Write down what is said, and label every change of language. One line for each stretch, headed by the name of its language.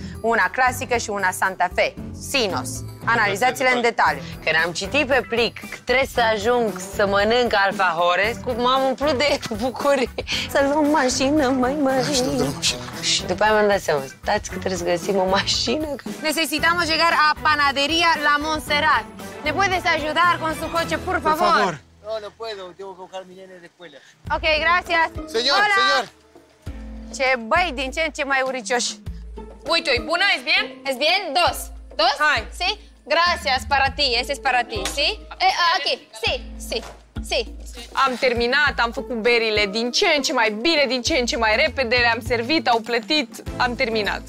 Romanian: Una clasică și una Santa Fe, Sinos. Analizați-le în detaliu. Când am citit pe plic că trebuie să ajung să mănânc alfajores, m-am umplut de bucurie. Să luăm mașină, măi, măi. Așa, luăm mașină. Și după aia mi-am dat seama, stați că trebuie să găsim o mașină.
Spanish: Necesitam o llegar a panaderia la Montserrat. Ne puedes ajutar con su coche, por favor? Por favor. No, no puedo, tengo que buscar mi nene de escuela. Ok, gracias. Señor, hola. Señor.
Romanian: Ce băi, din ce în ce mai uricioși. Uite, e bună,
Spanish: e bien? E bien? Dos. Dos?
Romanian: Hai.
Spanish: Sí? Gracias para ti, este es para ti, sí? Aquí, sí, sí, sí.
Romanian: Am terminat, am făcut berile din ce în ce mai bine, din ce în ce mai repede, le-am servit, au plătit, am terminat.